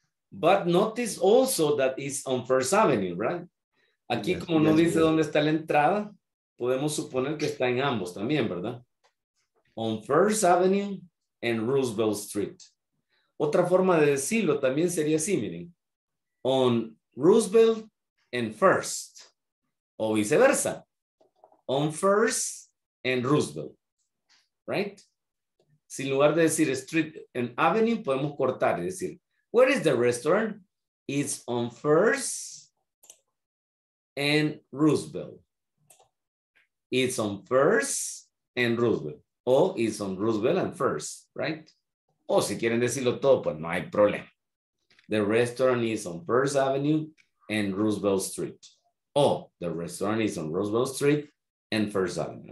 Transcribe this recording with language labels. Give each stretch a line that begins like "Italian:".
English: But notice also that it's on First Avenue, right?
Spanish: Aquí, yes, como no, yes, dice, yes, dónde está la entrada, podemos suponer que está en ambos también, ¿verdad?
English: On First Avenue and Roosevelt Street.
Spanish: Otra forma de decirlo también sería así, miren.
English: On Roosevelt and First.
Spanish: O viceversa.
English: On First and Roosevelt. Right?
Spanish: Sin lugar de decir
English: street and avenue,
Spanish: podemos cortar y decir,
English: where is the restaurant? It's on First and Roosevelt. It's on First and Roosevelt. O it's on Roosevelt and First, right?
Spanish: O si quieren decirlo todo, pues no hay problema.
English: The restaurant is on First Avenue and Roosevelt Street. O the restaurant is on Roosevelt Street and First Avenue.